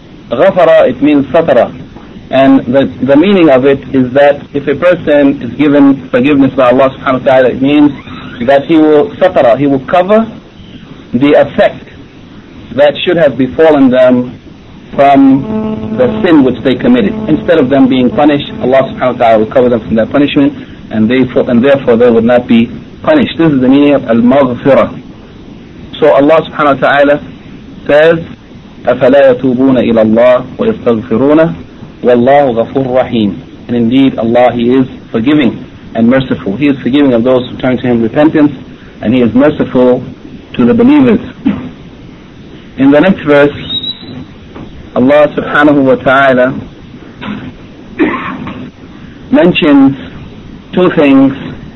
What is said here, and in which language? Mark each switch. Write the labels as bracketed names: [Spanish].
[English] Ghafara, it means satara. And the meaning of it is that if a person is given forgiveness by Allah subhanahu wa ta'ala, it means that he will satara, he will cover the effect that should have befallen them from the sin which they committed. Instead of them being punished, Allah subhanahu wa ta'ala will cover them from that punishment, and therefore they would not be punished. This is the meaning of al-maghfira. So Allah subhanahu wa ta'ala says, [Arabic] أَفَلَا يَتُوبُونَ إِلَى اللَّهِ وَيَسْتَغْفِرُونَ وَاللَّهُ غَفُورٌ رَحِيمٌ. [English] And indeed Allah, He is forgiving and merciful. He is forgiving of those who turn to Him in repentance, and He is merciful to the believers. In the next verse, Allah subhanahu wa ta'ala mentions two things.